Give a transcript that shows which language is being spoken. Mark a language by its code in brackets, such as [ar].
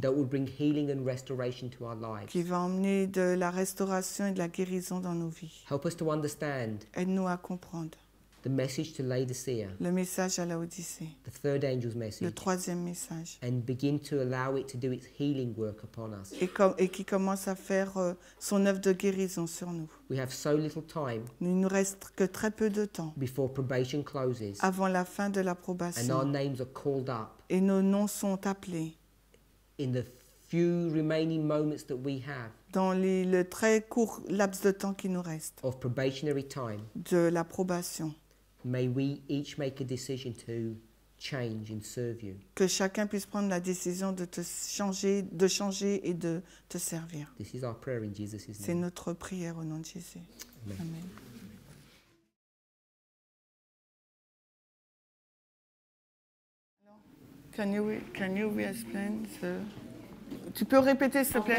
[en] That will bring healing and restoration to our lives. [fr] Qui va emmener de la restauration et de la guérison dans nos vies. [en] Help us to understand. [fr] Aide-nous à comprendre. [en] The message to Laodicea. [fr] Le message à Laodicée. [en] The third angel's message. [fr] Le troisième message. [en] And begin to allow it to do its healing work upon us. [fr] Et qui commence à faire son œuvre de guérison sur nous. [en] We have so little time. [fr] Il nous reste que très peu de temps. [en] Before probation closes. [fr] Avant la fin de la probation. [en] And our names are called up. [fr] Et nos noms sont appelés. [en] In the few remaining moments that we have. [fr] Dans le très court laps de temps qui nous reste. [en] Of probationary time. [fr] De la probation. [en] May we each make a decision to change and serve you. [fr] Que chacun puisse prendre la décision de te changer, de changer et de te servir. [en] This is our prayer in Jesus' name. [fr] C'est notre prière au nom de Jésus. Amen. Amen. [en] Can you explain the? [fr] Tu peux répéter, s'il te plaît.